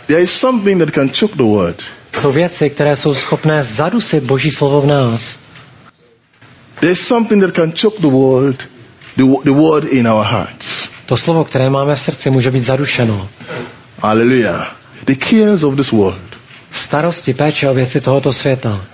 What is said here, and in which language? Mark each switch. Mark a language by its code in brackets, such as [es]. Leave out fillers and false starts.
[en] There is something that can choke the word. [cs] Jsou věci, které jsou schopné zadusit Boží slovo v nás. [en] There is something that can choke the word in our hearts. [cs] To slovo, které máme v srdci, může být zadušeno. [en] Hallelujah. The cares of this world. [cs] Starosti, péče o věci tohoto světa.